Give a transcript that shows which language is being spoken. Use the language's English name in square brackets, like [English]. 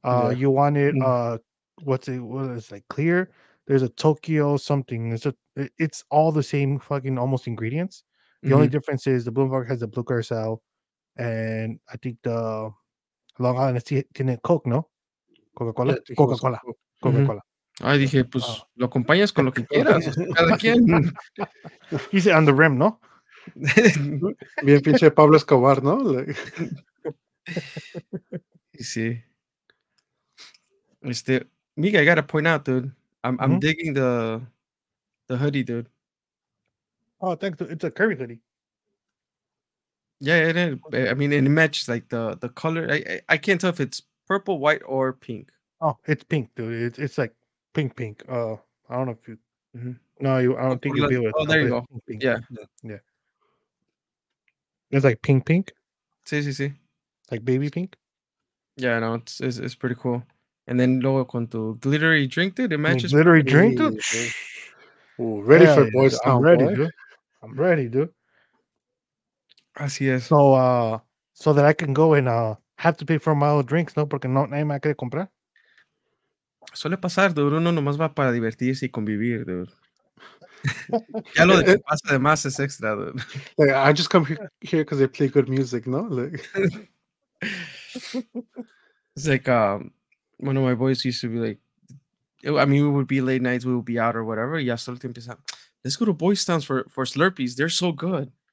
[English] You want it, what is it, clear? There's a Tokyo something, it's all the same fucking almost ingredients. The only difference is the Blue Motherfucker has the Blue Curacao. And I think the Long Island is Coke, no? Coca-Cola. Mm-hmm. [Spanish] I dije, pues, lo acompañas con lo que quieras. Cada quien. [English] He said, on the rim, no? [Spanish] Bien pinche Pablo Escobar, no? [English] Sí. Este, Miguel, I gotta point out, dude. I'm digging the hoodie, dude. Oh, thanks. It's a curry hoodie. Yeah, it matches like the color. I can't tell if it's purple, white, or pink. Oh, it's pink, dude. It's like pink. I don't know if you. Mm-hmm. No, you. I don't think you'll be able to. Oh, there you go. Pink. Yeah. Yeah. It's like pink. [Spanish] Sí. [English] Like baby pink. Yeah, no, it's pretty cool. And then [Spanish] luego con tu [English] glittery drink, dude, it matches. Glittery drink, dude. Ooh, ready for boys? Dude, I'm ready, dude. I'm ready, dude. [Spanish] Así es. [English] So, so that I can go and have to pay for my own drinks, no? [Spanish] Porque no nadie me quiere comprar. Suele pasar, dude. Uno nomás va para divertirse y convivir, dude. Ya lo de que pasa de más es extra, dude. [English] Like, I just come here because they play good music, no? Like... It's like one of my boys used to be like, I mean, we would be late nights, we would be out or whatever. [Spanish] Y hasta el tiempo empieza, [English] let's go to Boy Stands for Slurpees. They're so good.